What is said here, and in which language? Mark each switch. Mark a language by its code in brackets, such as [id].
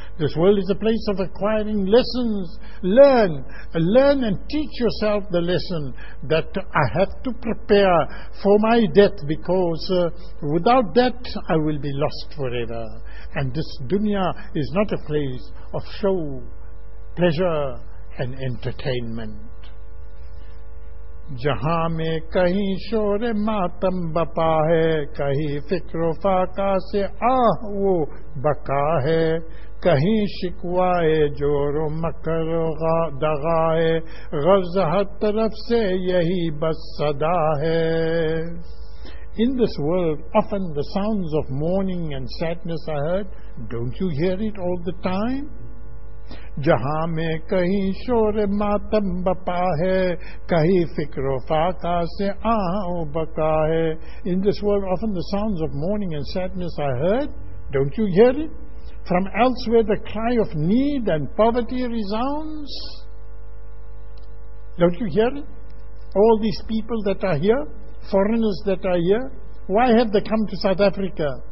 [en] This world is a place of acquiring lessons. Learn and teach yourself the lesson that I have to prepare for my death, because without that I will be lost forever. And this dunya is not a place of show, pleasure and entertainment. [ur] جہاں میں کہیں شور ماتم بپا ہے, کہیں فکر و فاقہ سے آہ وہ بکا ہے, کہیں شکوائے جور و مکر و دغا ہے, غرض ہر طرف سے یہی بس صدا ہے. [en] In this world, often the sounds of mourning and sadness are heard. Don't you hear it all the time? [ur] جہاں میں کہیں شور ماتم بپا ہے, کہیں فکر و فاقہ سے آہ بکا ہے. [en] In this world, often the sounds of mourning and sadness are heard. Don't you hear it? From elsewhere, the cry of need and poverty resounds. Don't you hear it? All these people that are here, foreigners that are here, why have they come to South Africa?